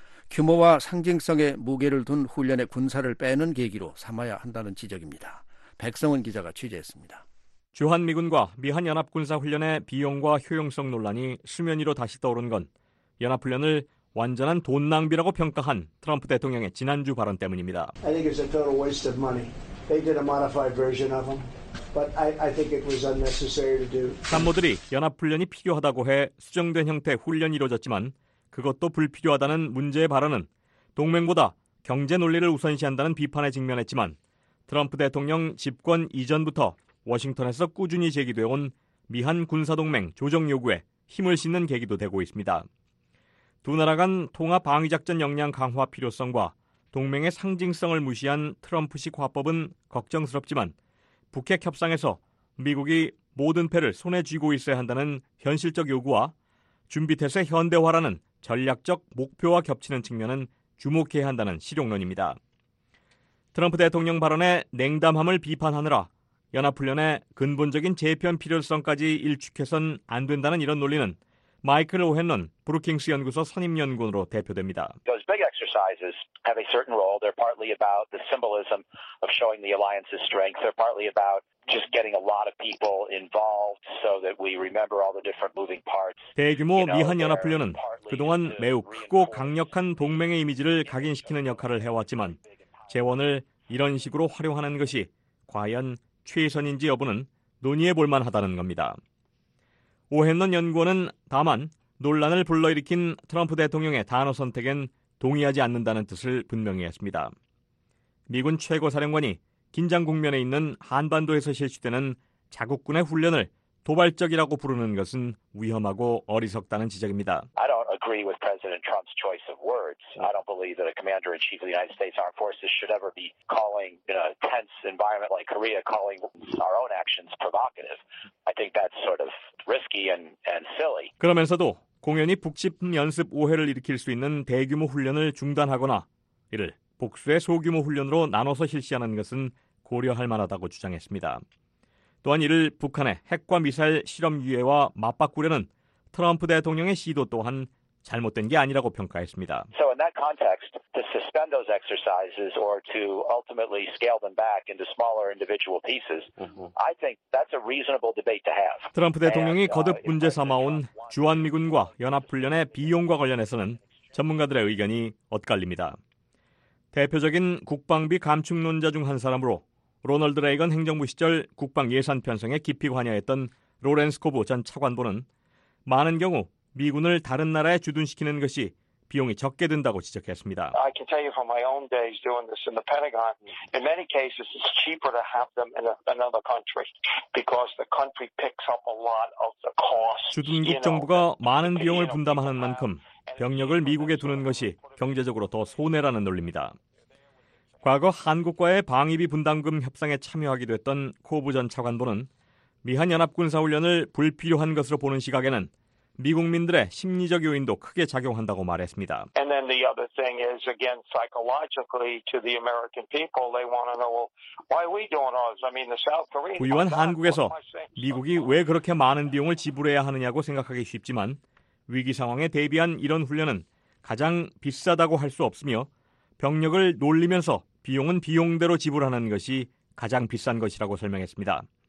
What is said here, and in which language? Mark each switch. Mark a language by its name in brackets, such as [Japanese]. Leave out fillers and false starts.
[Korean] 규모와 상징성에 무게를 둔 훈련의 군사를 빼는 계기로 삼아야 한다는 지적입니다. 백성은 기자가 취재했습니다. 주한미군과 미한연합군사훈련의 비용과 효용성 논란이 수면 위로 다시 떠오른 건 연합훈련을 완전한 돈 낭비라고 평가한 트럼프 대통령의 지난주 발언 때문입니다. [English] I think it's a total waste of money. They did a modified version of them. But I think it was unnecessary to do. [Korean] 참모들이 연합훈련이 필요하다고 해 수정된 형태의 훈련이 이루어졌지만 그것도 불필요하다는 문제의 발언은 동맹보다 경제 논리를 우선시한다는 비판에 직면했지만 트럼프 대통령 집권 이전부터 워싱턴에서 꾸준히 제기되어 온 미한 군사동맹 조정 요구에 힘을 싣는 계기도 되고 있습니다. 두 나라 간 통합 방위작전 역량 강화 필요성과 동맹의 상징성을 무시한 트럼프식 화법은 걱정스럽지만 북핵 협상에서 미국이 모든 패를 손에 쥐고 있어야 한다는 현실적 요구와 준비태세 현대화라는 전략적 목표와 겹치는 측면은 주목해야 한다는 실용론입니다. 트럼프 대통령 발언의 냉담함을 비판하느라 연합훈련의 근본적인 재편 필요성까지 일축해선 안 된다는 이런 논리는 마이클 오헨론 브루킹스 연구소 선임연구원으로 대표됩니다. [English] Those big exercises have a certain role. They're partly about the symbolism of showing the alliance's strength. They're partly about just getting a lot of people involved so that we remember all the different moving parts. [Korean] 대규모 미한 연합훈련은 그동안 매우 크고 강력한 동맹의 이미지를 각인시키는 역할을 해왔지만 재원을 이런 식으로 활용하는 것이 과연 최선인지 여부는 논의해 볼 만하다는 겁니다. 오헨런 연구원은 다만 논란을 불러일으킨 트럼프 대통령의 단어 선택엔 동의하지 않는다는 뜻을 분명히 했습니다. 미군 최고 사령관이 긴장 국면에 있는 한반도에서 실시되는 자국군의 훈련을 도발적이라고 부르는 것은 위험하고 어리석다는 지적입니다. [English] I don't agree with President Trump's choice of words. I don't believe that a commander-in-chief of the United States Armed Forces should ever be calling in a tense environment like Korea calling our own actions provocative. I think that's sort of risky and silly. [Korean] 그러면서도 공연이 북침 연습 오해를 일으킬 수 있는 대규모 훈련을 중단하거나 이를 복수의 소규모 훈련으로 나눠서 실시하는 것은 고려할 만하다고 주장했습니다. 또한 이를 북한의 핵과 미사일 실험 유예와 맞바꾸려는 트럼프 대통령의 시도 또한 잘못된 게 아니라고 평가했습니다. [English] So in that context, to suspend those exercises or to ultimately scale them back into smaller individual pieces, I think that's a reasonable debate to have. [Korean] 트럼프 대통령이 거듭 문제 삼아온 주한미군과 연합훈련의 비용과 관련해서는 전문가들의 의견이 엇갈립니다. 대표적인 국방비 감축론자 중 한 사람으로 로널드 레이건 행정부 시절 국방 예산 편성에 깊이 관여했던 로렌스 코브 전 차관보는 많은 경우 미군을 다른 나라에 주둔시키는 것이 비용이 적게 든다고 지적했습니다. [English] I can tell you from my own days doing this in the Pentagon. In many cases, it's cheaper to have them in another country because the country picks up a lot of the cost. [Korean] 주둔국 정부가 많은 비용을 분담하는 만큼 병력을 미국에 두는 것이 경제적으로 더 손해라는 논리입니다. 과거 한국과의 방위비 분담금 협상에 참여하기도 했던 코브 전 차관보는 미한연합군사훈련을 불필요한 것으로 보는 시각에는 미국민들의 심리적 요인도 크게 작용한다고 말했습니다. [English] And then the other thing is, again, psychologically to the American people, they want to know, well, why are we doing ours? I mean, the South Korean. [Korean] 부유한 한국에서 미국이 왜 그렇게 많은 비용을 지불해야 하느냐고 생각하기 쉽지만 위기 상황에 대비한 이런 훈련은 가장 비싸다고 할 수 없으며 병력을 놀리면서 비용은 비용대로 지불하는 것이 가장 비싼 것이라고 설명했습니다.